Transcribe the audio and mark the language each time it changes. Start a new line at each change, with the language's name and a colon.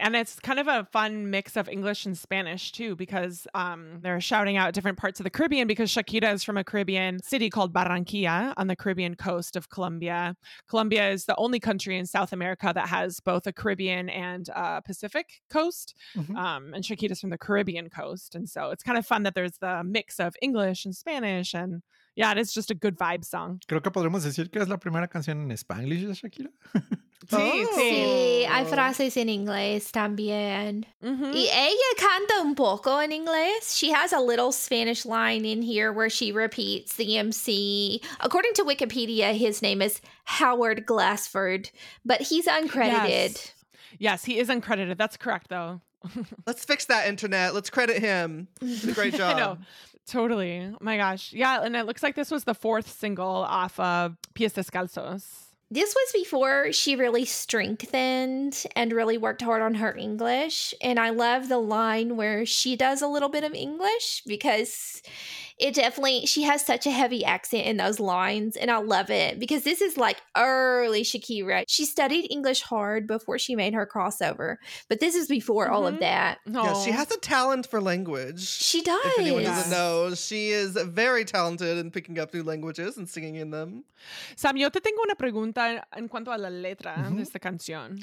English: And it's kind of a fun mix of English and Spanish too, because they're shouting out different parts of the Caribbean, because Shakira is from a Caribbean city called Barranquilla on the Caribbean coast of Colombia. Colombia is the only country in South America that has both a Caribbean and a Pacific coast. And Shakira's from the Caribbean coast. And so it's kind of fun that there's the mix of English and Spanish. And yeah, it is just a good vibe song.
Spanish: Creo que podremos decir que es la primera canción en Spanglish de Shakira. Hay frases en inglés también. Y ella canta un poco en inglés.
English: She has a little Spanish line in here where she repeats the MC. According to Wikipedia, his name is Howard Glassford, but he's uncredited. Yes, he is uncredited. That's correct, though. Let's fix that, internet. Let's credit him. He did a great job. I know. Totally. Oh my gosh. Yeah. And it looks like this was the fourth single off of Pies Descalzos. This was before she really strengthened and really worked hard on her English. And I love the line where she does a little bit of English, because it definitely, she has such a heavy accent in those lines. And I love it, because this is like early Shakira. She studied English hard before she made her crossover, but this is before all of that. Aww. Yeah, she has a talent for language. She does. If anyone doesn't know, she is very talented in picking up new languages and singing in them.
Spanish: Sam, yo te tengo una pregunta en cuanto a la letra de esta canción.